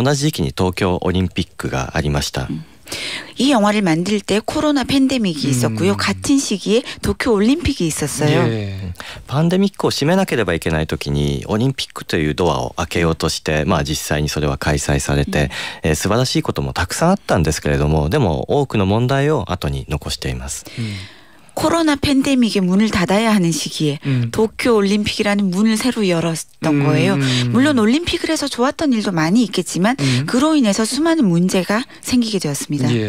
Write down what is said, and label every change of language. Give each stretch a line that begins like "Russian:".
Japanese: 例えばこの映画を作ってる時に日本でもコロナのパンデミックがあって、でも同じ時期に東京オリンピックがありました。
Korean: 이 영화를 만들 때 코로나 팬데믹이 있었고요. 같은 시기에 도쿄 올림픽이 있었어요.
Japanese: パンデミックを閉めなければいけない時にオリンピックというドアを開けようとして、実際にそれは開催されて、素晴らしいこともたくさんあったんですけれども、でも多くの問題を後に残しています。
Korean: 코로나 팬데믹의 문을 닫아야 하는 시기에 도쿄 올림픽이라는 문을 새로 열었던 거예요. 물론 올림픽을 해서 좋았던 일도 많이 있겠지만 그로 인해서 수많은 문제가 생기게 되었습니다.